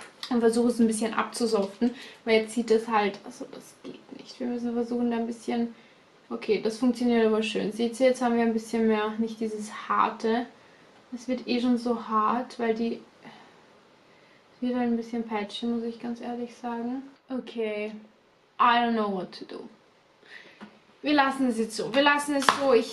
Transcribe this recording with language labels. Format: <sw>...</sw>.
<de>Und versuche es ein bisschen abzusoften, weil jetzt sieht es halt. Also, das geht nicht. Wir müssen versuchen, da ein bisschen. Okay, das funktioniert aber schön. Seht ihr, jetzt haben wir ein bisschen mehr, nicht dieses harte. Es wird eh schon so hart, weil die. Es wird ein bisschen patchy, muss ich ganz ehrlich sagen.</de> <en>Okay, I don't know what to do.</en> <de>Wir lassen es jetzt so. Wir lassen es so.</de>